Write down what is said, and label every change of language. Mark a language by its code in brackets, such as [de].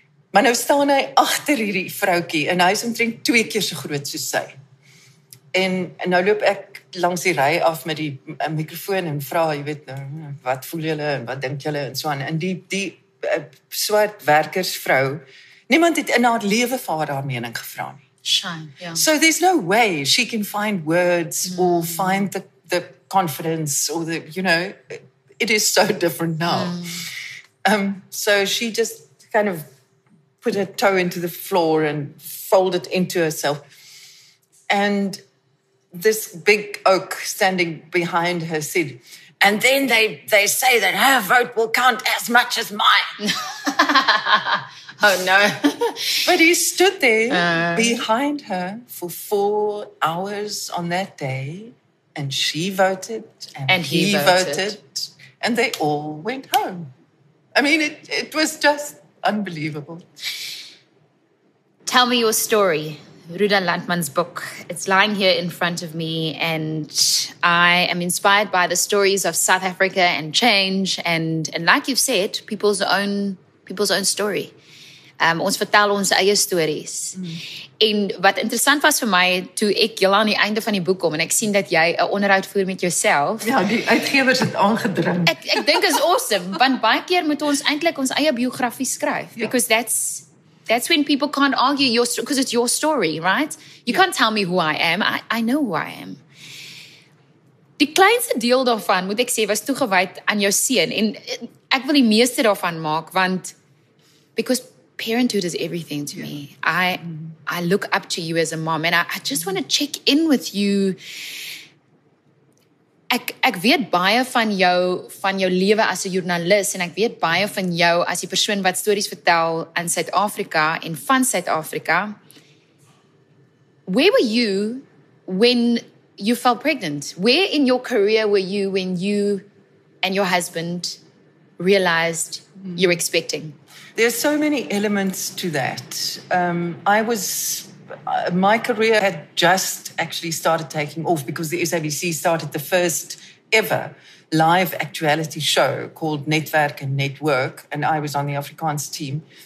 [af] Maar nou staan hy agter hierdie vroukie en hy is omtrent 2 keer so groot soos sy. En nou loop ek langs die rij af met die microfoon en vraag, jy weet, wat voel julle en wat dink julle en so aan. En die swart werkersvrou, niemand het in haar lewe vir haar mening gevra nie. [en] So there's no way she can find words or find the confidence or the, you know, it is so different now. So she just kind of put her toe into the floor and folded into herself. And this big oak standing behind her said, "And then they say that her vote will count as much as mine." Oh, no. But he stood there behind her for 4 hours on that day, and she voted, and he voted, and they all went home. I mean, it was just unbelievable. Tell me your story, Ruda Landman's book. It's lying here in front of me, and I am inspired by the stories of South Africa and change, and like you've said, people's own story. [af] Ons vertel ons eie stories. En wat interessant was vir my, toe ek jy aan die einde van die boek kom, en ek sien dat jy 'n onderhoud voer met jouself. Ja, die uitgevers het aangedring. Ek dink is awesome, want baie keer moet ons eintlik ons eie biografie skryf. Ja. [en] Because that's when people can't argue your story, because it's your story, right? You can't tell me who I am. I know who I am. [af] Die kleinste deel daarvan, moet ek sê, was toegewijd aan jou seun. En ek wil die meeste daarvan maak, want, [en] because parenthood is everything to me. I look up to you as a mom, and I just want to check in with you. [af] Ek weet baie van jou lewe as 'n journalist, en ek weet baie van jou as die persoon wat stories vertel in Suid-Afrika en van Suid-Afrika. [en] Where were you when you fell pregnant? Where in your career were you when you and your husband realized you're expecting? There's so many elements to that. I was, my career had just actually started taking off because the SABC started the first ever live actuality show called Netwerk and Network, and I was on the Afrikaans team.